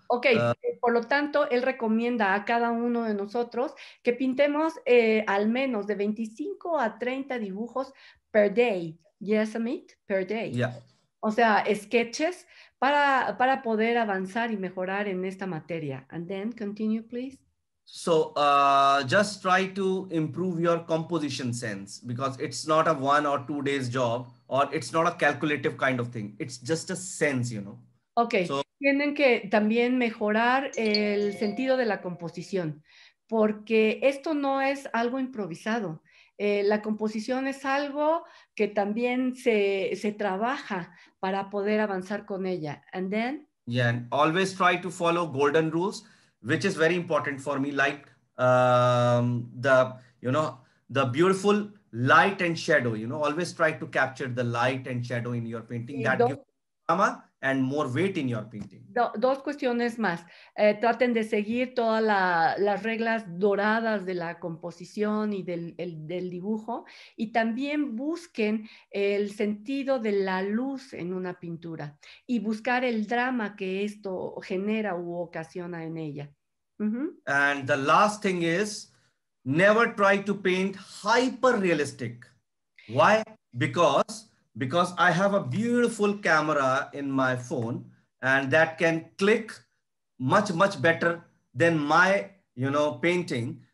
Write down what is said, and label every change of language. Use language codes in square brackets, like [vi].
[es] Okay, por lo tanto, él recomienda a cada uno de nosotros que pintemos al menos de 25 a 30 dibujos [en] per day. Yes, Amit? Per day. Yeah. [es] O sea, sketches. Para poder avanzar y mejorar en esta materia. [en] And then continue, please. So just try to improve your composition sense, because it's not a 1 or 2 days job, or it's not a calculative kind of thing. It's just a sense, you know. Okay. [es] So, tienen que también mejorar el sentido de la composición, porque esto no es algo improvisado. La composición es algo que también se trabaja para poder avanzar con ella. [en] And then? Yeah, and always try to follow golden rules, which is very important for me, like the beautiful light and shadow, you know, always try to capture the light and shadow in your painting. That gives drama and more weight in your painting. [es] Dos cuestiones más. Traten de seguir todas las reglas doradas de la composición y del dibujo, y también busquen el sentido de la luz en una pintura y buscar el drama que esto genera u ocasiona en ella. Mm-hmm. [en] And the last thing is, never try to paint hyper-realistic. Why? Because I have a beautiful camera in my phone, and that can click much, much better than my, you know, painting.